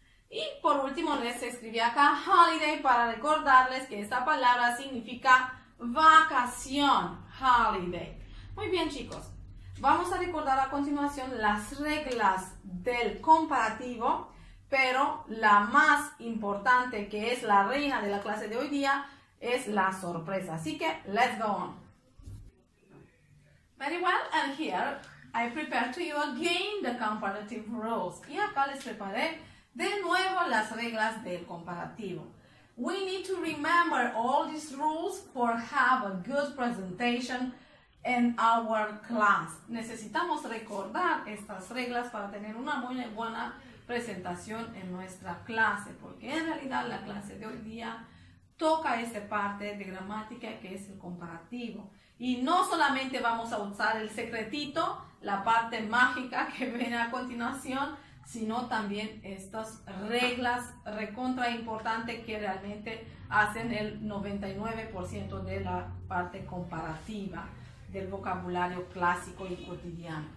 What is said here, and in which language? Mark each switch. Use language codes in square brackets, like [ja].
[es] Y por último les escribí acá holiday para recordarles que esta palabra significa vacación, holiday. Muy bien, chicos, vamos a recordar a continuación las reglas del comparativo. Pero la más importante, que es la reina de la clase de hoy día, es la sorpresa. Así que, [en] let's go on. Very well, and here I prepare to you again the comparative rules. [es] Y acá les preparé de nuevo las reglas del comparativo. [en] We need to remember all these rules for have a good presentation in our class. [es] Necesitamos recordar estas reglas para tener una muy buena presentación en nuestra clase, porque en realidad la clase de hoy día toca esta parte de gramática que es el comparativo. Y no solamente vamos a usar el secretito, la parte mágica que viene a continuación, sino también estas reglas recontra importante que realmente hacen el 99% de la parte comparativa del vocabulario clásico y cotidiano.